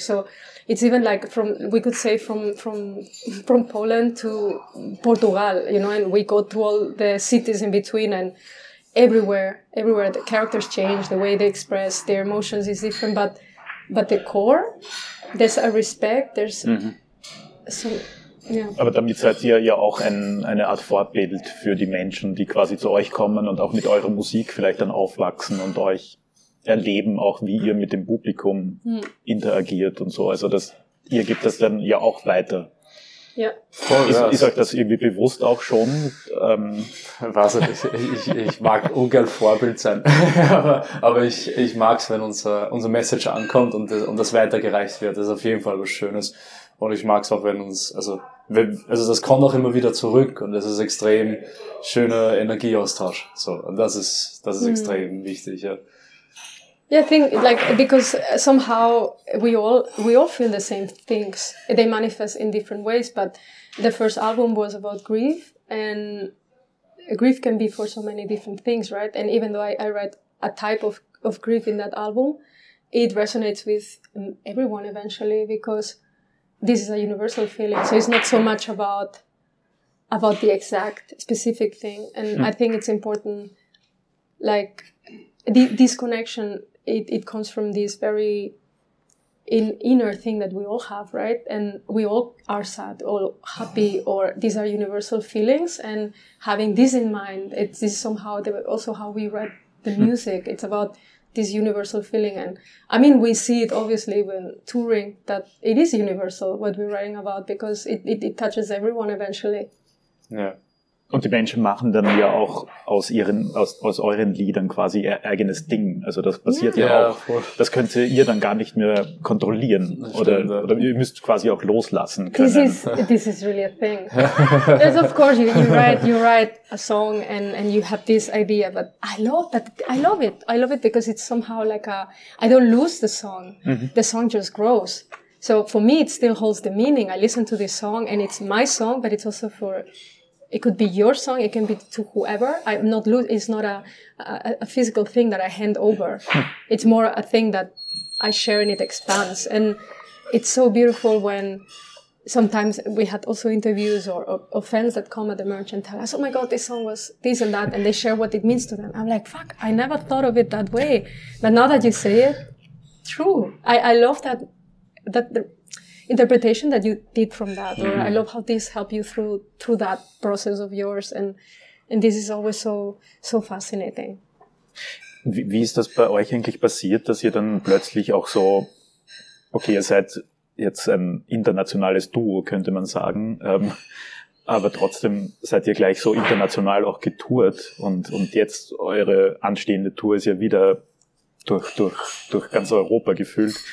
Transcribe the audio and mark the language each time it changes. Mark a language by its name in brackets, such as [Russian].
[English] So it's even like from, we could say from Poland to Portugal, you know, and we go to all the cities in between, and everywhere the characters change, the way they express their emotions is different. But the core, there's a respect, there's, mm-hmm. so, yeah. [German] Aber damit seid ihr ja auch eine Art Vorbild für die Menschen, die quasi zu euch kommen und auch mit eurer Musik vielleicht dann aufwachsen und euch erleben, auch wie ihr mit dem Publikum interagiert und so. Also das, ihr gebt das dann ja auch weiter. Ja. Voll, ist, ist euch das irgendwie bewusst auch schon? Weiß nicht, ich mag ungern Vorbild sein, aber ich mag es, wenn unser Message ankommt und das weitergereicht wird. Das ist auf jeden Fall was Schönes. Und ich mag es auch, wenn uns, also das kommt auch immer wieder zurück, und es ist extrem schöner Energieaustausch. So, und das ist extrem wichtig, ja. [English] Yeah, I think, like, because somehow we all feel the same things. They manifest in different ways, but the first album was about grief, and grief can be for so many different things, right? And even though I write a type of grief in that album, it resonates with everyone eventually, because this is a universal feeling. So it's not so much about the exact specific thing. And I think it's important, like, this connection, it comes from this very inner thing that we all have, right? And we all are sad or happy, or these are universal feelings. And having this in mind, it's somehow also how we write the music. It's about this universal feeling. And I mean, we see it obviously when touring, that it is universal what we're writing about, because it touches everyone eventually. Yeah. [German] Und die Menschen machen dann ja auch aus euren Liedern quasi ihr eigenes Ding. Also das passiert ja auch. Das könnt ihr dann gar nicht mehr kontrollieren. Oder ihr müsst quasi auch loslassen können. [English] This is really a thing. Yes, of course, you write a song and you have this idea. But I love that. I love it. I love it because it's somehow like I don't lose the song. Mm-hmm. The song just grows. So for me, it still holds the meaning. I listen to this song and it's my song, but it's also for... It could be your song. It can be to whoever. I'm not lose. It's not a physical thing that I hand over. It's more a thing that I share and it expands. And it's so beautiful when sometimes we had also interviews or fans that come at the merch and tell us, oh my God, this song was this and that. And they share what it means to them. I'm like, fuck, I never thought of it that way. But now that you say it, true. I love that the interpretation that you did from that, or I love how this helped you through that process of yours, and this is always so fascinating. [German] Wie ist das bei euch eigentlich passiert, dass ihr dann plötzlich auch so, okay, ihr seid jetzt ein internationales Duo, könnte man sagen, aber trotzdem seid ihr gleich so international auch getourt, und jetzt eure anstehende Tour ist ja wieder durch ganz Europa gefühlt.